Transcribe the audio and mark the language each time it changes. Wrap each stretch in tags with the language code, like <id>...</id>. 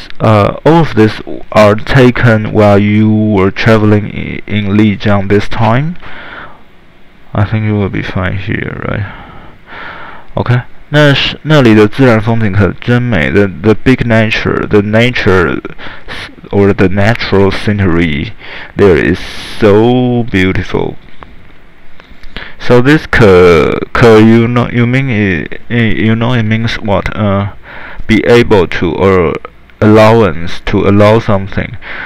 <en>All of this are taken while you were traveling in Lijiang this time. I think you will be fine here, right? Okay.</en> <zh>那是那里的自然风景可真美。</zh> <en>The big nature, the nature, or the natural scenery there is so beautiful. So this 可 you mean it means what? Be able to or allowance to allow something.</en>